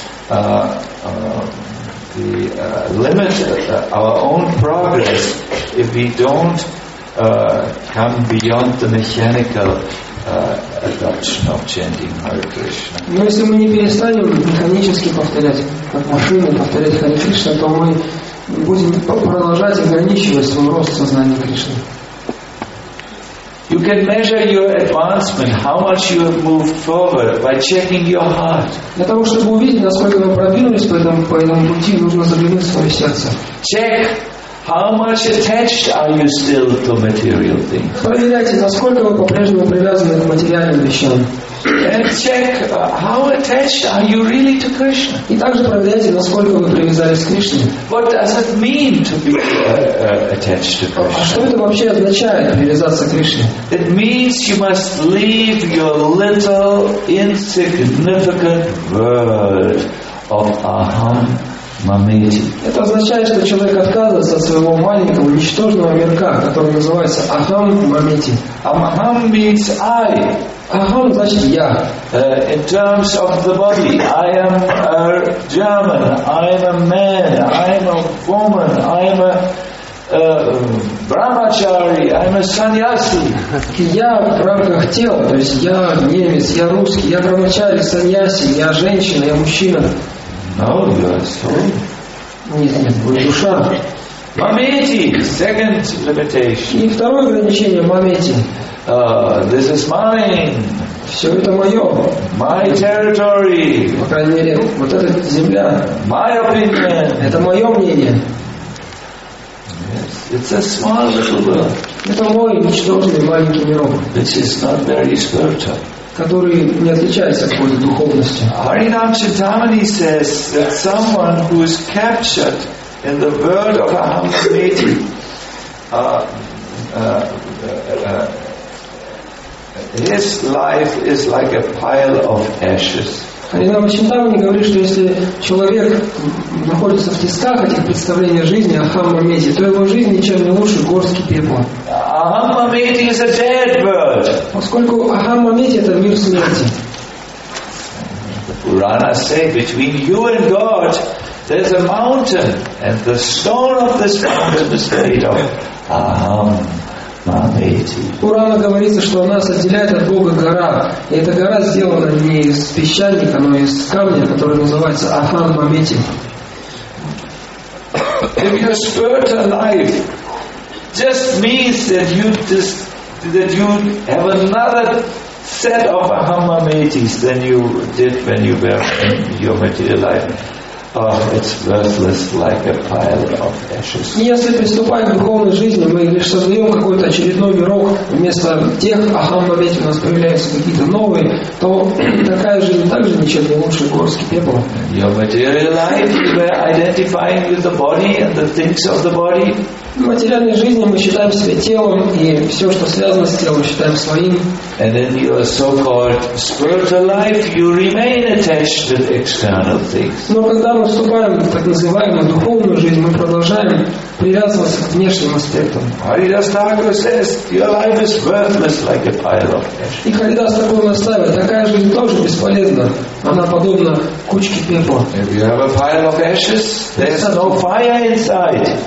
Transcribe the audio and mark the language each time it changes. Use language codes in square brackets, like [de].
[en] And the limit our own progress if we don't come beyond the mechanical adoption of chanting Hare Krishna. [ru] Но если мы не перестанем механически повторять, как машины повторять Hare Krishna, то мы будем продолжать ограничивать свой рост сознания Кришны. [en] You can measure your advancement, how much you have moved forward, by checking your heart. [ru] Для того, чтобы увидеть, насколько вы продвинулись по этому пути, нужно заглянуть в свое сердце. [en] Check how much attached are you still to material things. [ru] Проверяйте, насколько вы по-прежнему привязаны к материальным вещам. [en] And check how attached are you really to Krishna. [ru] И также проверяйте, насколько вы привязались к Кришне. [en] What does it mean to be attached to Krishna? [ru] А что это вообще означает привязаться к Кришне? [en] It means you must leave your little insignificant world of aham mamiti. [ru] Это означает, что человек отказывается от своего маленького ничтожного мирка, который называется aham mamiti. [en] Aham means I. [ru] Aham значит я. [en] In terms of the body, I am a German, I am a man, I am a woman, I am a brahmachari, I am a sannyasi. [ru] Я в рамках тела, то есть я немец, я русский, я брахмачари, саньяси, я женщина, я мужчина. [en] No, you are soul. [ru] Нет, вы душа. [en] Mameti, second limitation. [ru] И второе ограничение mameti. [en] This is mine. [ru] Все это мое. [en] My territory. [ru] По крайней мере, вот эта земля. [en] My opinion. [ru] Это мое мнение. [en] Yes. It's a small little world. [ru] Это мой ничтожный маленький мирок. [en] This is not very spiritual. [ru] Который не отличается от какой-то духовности. [en] Haridam Chitamani says that someone who is captured in the world of aham mamiti his life is like a pile of ashes. [ru] Харинам Чинтамани говорит, что если человек находится в тисках этих представлений о жизни, ахам мамети, то его жизнь ничем не лучше горстки пепла. [en] Ахам мамети is a dead bird. [ru] Поскольку ахам мамети это мир смерти. [en] Purana say between you and God there's a mountain and the stone of this mountain is made of aham mamiti. [ru] Пурана говорится, что нас отделяет от Бога гора, и эта гора сделана не из песчаника, но из камня, который называется aham mamiti. [en] If your spiritual life just means that you have another set of aham mamitis than you did when you were in your material life. Oh, it's worthless like a pile of ashes. [ru] Если приступаем к духовной жизни, мы лишь создаем какой-то очередной мирок, вместо тех ахам мамети у нас появляются какие-то новые, то такая жизнь также ничем не лучше горстки пепла. [en] Your material life, you were identifying with the body and the things of the body. [ru] В материальной жизни мы считаем себя телом, и все, что связано с телом, считаем своим. [en] And in your so-called spiritual life, you remain attached to the external things. [ru] Но когда мы вступаем в так называемую духовную жизнь, мы продолжаем привязываться к внешним аспектам. [en] Haridas Thakur says, your life is worthless like a pile of ash. [ru] И Haridas Thakur настаивает, такая жизнь тоже бесполезна. Она подобна кучке пепла. [en] If you have a pile of ashes, there's no fire inside.